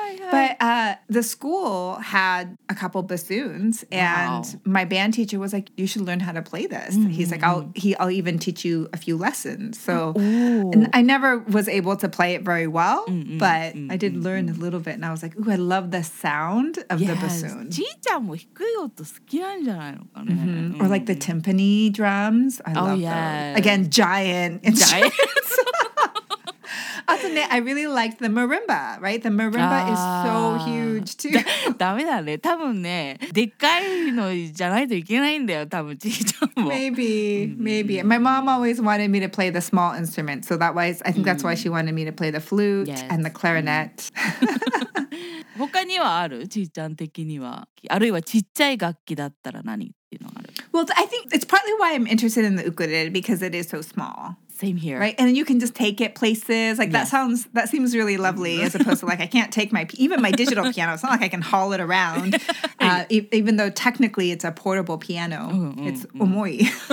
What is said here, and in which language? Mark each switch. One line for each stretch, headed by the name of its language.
English: But the school had a couple bassoons and my band teacher was like, you should learn how to play this. He's like, I'll even teach you a few lessons. So and I never was able to play it very well, but I did learn a little bit. And I was like, ooh, I love the sound of the bassoon.
Japanese: ちいちゃんも低い音好きなんじゃないのかな。
English: Or like the timpani drums. I love those. Again, giant instruments. Also, ne, I really liked the marimba, right? The marimba is so huge, too.
Japanese: ダメだね。多分ね、でっかいのじゃないといけないんだよ、多分ちいちゃんも。
English: Maybe. My mom always wanted me to play the small instrument, so that was, I think that's why she wanted me to play the flute and the clarinet.
Japanese: 他にはある?ちいちゃん的には。あるいはちっちゃい楽器だったら何っていうのがある?
English: Well, I think it's partly why I'm interested in the ukulele, because it is so small. Same here. Right? And you can just take it places. Like, that seems really lovely as opposed to, like, I can't take even my digital piano. It's not like I can haul it around. even though technically it's a portable piano. It's omoi.